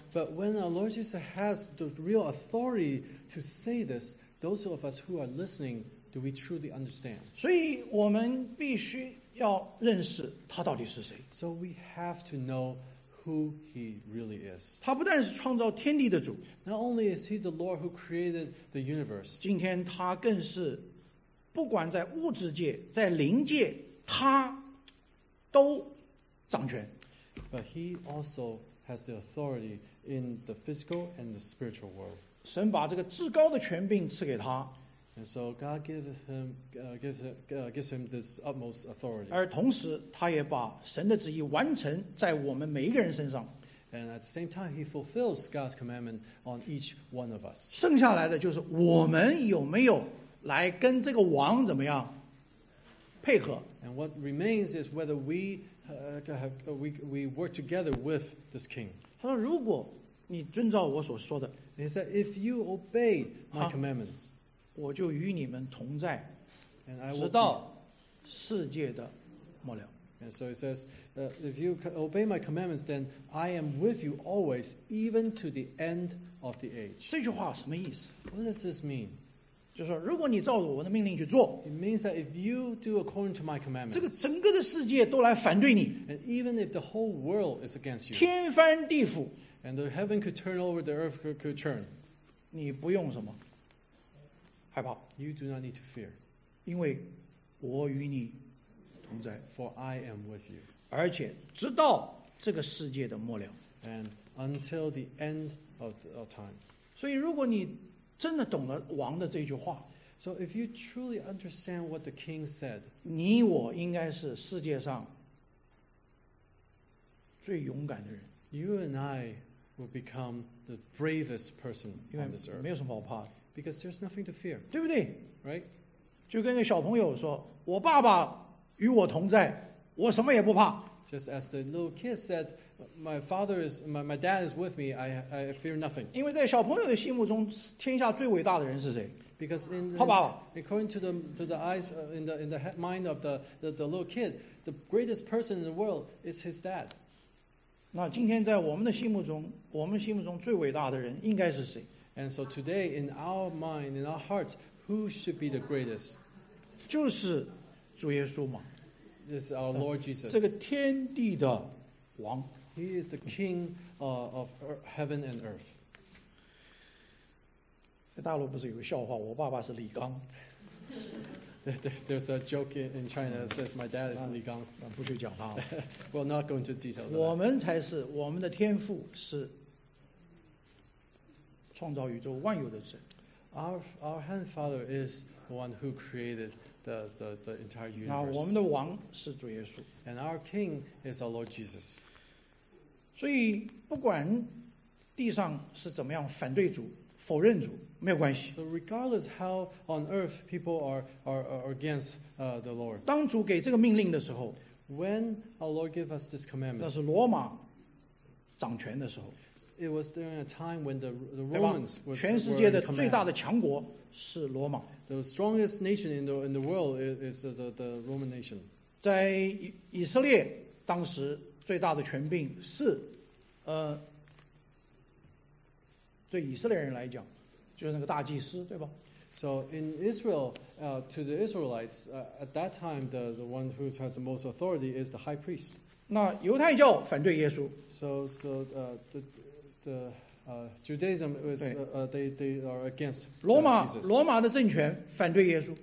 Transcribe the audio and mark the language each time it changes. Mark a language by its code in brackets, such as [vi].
[en] But when our Lord Jesus has the real authority to say this, those of us who are listening, do we truly understand? [zh] 所以我们必须要认识他到底是谁。 [en] So we have to know who he really is. [zh] 他不但是创造天地的主。 [en] Not only is he the Lord who created the universe. [zh] 今天他更是不管在物质界，在灵界，他都掌权。 [en] But he also has the authority in the physical and the spiritual world. [zh] 神把这个至高的权柄赐给他。 [en] And so God gives him this utmost authority. [zh] 而同时，他也把神的旨意完成在我们每一个人身上。 [en] And at the same time, he fulfills God's commandment on each one of us. [zh] 剩下来的就是我们有没有。来跟这个王怎么样配合 [en] ？And what remains is whether we work together with this king. [zh] 他说：“如果你遵照我所说的 [en] ，He said, if you obey my commandments, [zh] 我就与你们同在， [en] and I will, [zh] 直到世界的末了。” [en] And so he says, if you obey my commandments, then I am with you always, even to the end of the age. [zh] 这句话什么意思 [en] ？What does this mean? [zh] 就是说，如果你照着我的命令去做 [en] ，It means that if you do according to my commandments， [zh] 这个整个的世界都来反对你 [en] ，And even if the whole world is against you， [zh] 天翻地覆 [en] ，And the heaven could turn over, the earth could turn， [zh] 你不用什么害怕 [en] ，You do not need to fear， [zh] 因为我与你同在 [en] ，For I am with you， [zh] 而且直到这个世界的末了 [en] ，And until the end of time， [zh] 所以如果你真的懂了王的这句话 [en] ，So if you truly understand what the king said， [zh] 你我应该是世界上最勇敢的人。 [en] You and I will become the bravest person on this earth， [zh] 没有什么好怕的 [en] ，because there's nothing to fear， [zh] 对不对 [en] ？Right？ [zh] 就跟个小朋友说，我爸爸与我同在，我什么也不怕。 [en] Just as the little kid said, my dad is with me. I fear nothing. [zh] 因为在小朋友的心目中，天下最伟大的人是谁 [en] ？Because in the, [zh] 他爸爸 [en] according to the eyes in the mind of the little kid, the greatest person in the world is his dad. [zh] 那今天在我们的心目中，我们心目中最伟大的人应该是谁 [en] ？And so today, in our mind, in our hearts, who should be the greatest? [zh] 就是主耶稣嘛。 [en] This is our Lord Jesus. [zh] 这个天地的王 [en] He is the king of heaven and earth. [zh] 在大陆不是有个笑话，我爸爸是李刚。 [en] There's a joke in China that says my dad is Li Gang. [zh] 不去讲他。 [en] We'll not go into details. [zh] 我们才是我们的天父是创造宇宙万有的神。 [en] Our Heavenly Father is one who created the entire universe. [zh] 那我们的王是主耶稣。 [en] And our King is our Lord Jesus. [zh] 所以不管地上是怎么样反对主、否认主，没有关系。 [en] So regardless how on earth people are against the Lord. [zh] 当主给这个命令的时候 [en] ，When our Lord gave us this commandment. [zh] 那是罗马掌权的时候。 [en] It was during a time when the Romans were. [zh] 全世界的最大的强国是罗马。 [en] The strongest nation in the world is the Roman nation. [zh] 在以色列当时最大的权柄是，对以色列人来讲，就是那个大祭司，对吧？ [en] So in Israel, to the Israelites, at that time, the one who has the most authority is the high priest. [zh] 那犹太教反对耶稣。 [en] So the Judaism was they are against Jesus. [zh] 罗马的政权反对耶稣。